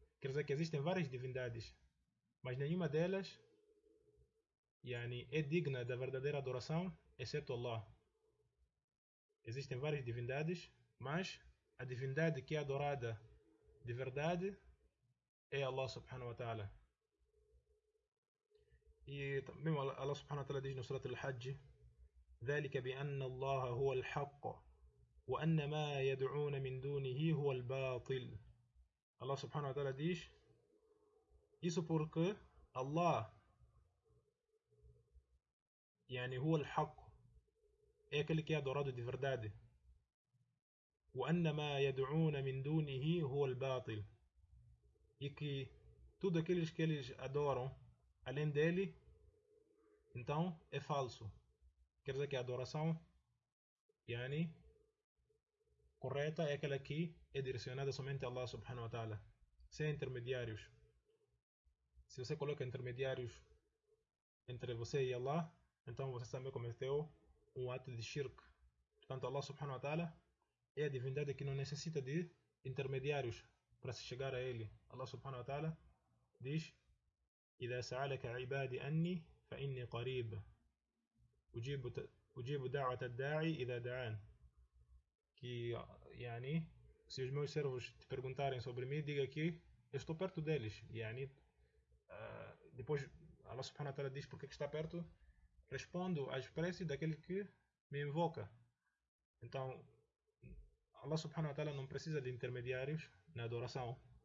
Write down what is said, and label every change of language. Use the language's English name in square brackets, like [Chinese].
[Portuguese] Quer dizer que existem várias divindades, mas nenhuma delas yani, é digna da verdadeira adoração excepto Allah. Existem várias divindades, mas a divindade que é adorada de verdade é Allah subhanahu wa ta'ala. E também Allah subhanahu wa ta'ala diz no Surat al-Hajj: [Arabic] ذلك بأن الله هو الحق وأن ما يدعون من دونه هو الباطل. [Portuguese] Allah subhanahu wa ta'ala diz isso porque Allah yani [Arabic] هو الحق, [Portuguese] é aquele que é adorado de verdade. [Arabic] وأن ما يدعون من دونه هو الباطل, [Portuguese] e que tudo aqueles que eles adoram além dele, então é falso. Quer dizer que a adoração yani correta é aquela que é direcionada somente a Allah subhanahu wa ta'ala, sem intermediários. Se você coloca intermediários entre você e Allah, então você também cometeu um ato de shirk. Portanto, Allah subhanahu wa ta'ala é a divindade que não necessita de intermediários para se chegar a ele. Allah subhanahu wa ta'ala diz: [Arabic] إذا سألك عبادي أني فإني قريب أجيب دعوة الداعي إذا دعان. [Portuguese] Que yani, se os meus servos te perguntarem sobre mim, diga que eu estou perto deles. Yani, depois Allah subhanahu wa ta'ala diz porque que está perto: respondo às preces daquele que me invoca. Então Allah subhanahu wa ta'ala não precisa de intermediários na adoração.